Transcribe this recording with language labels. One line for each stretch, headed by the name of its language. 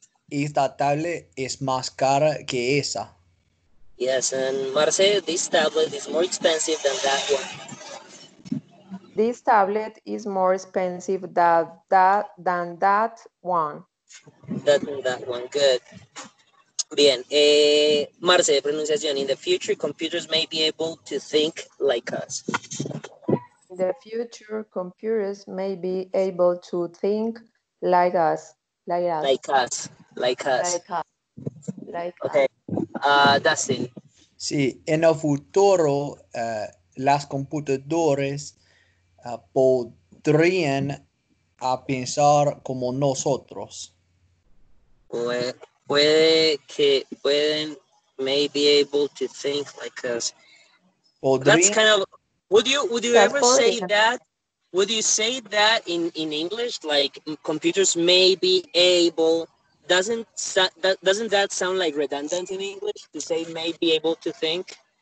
Spanish: Y esta tablet es más cara que esa.
English: Yes, and Marce, this tablet is more expensive than that one. This tablet is more expensive than that one. That one, good. Bien. Marce,
Spanish: de pronunciación.
English: In the future, computers may be able to think like us. In the future, computers may be able to think like us. Like us. Like us. Like us. Like okay. Dustin.
Spanish: Sí, en el futuro, las computadoras podrían pensar como nosotros. Pueden
English: may be able to think like us.
Spanish: Podrían.
English: That's kind of, would you that's ever say that? Would you say that in English? Like computers may be able. Doesn't that sound like redundant in English to say may be able to think?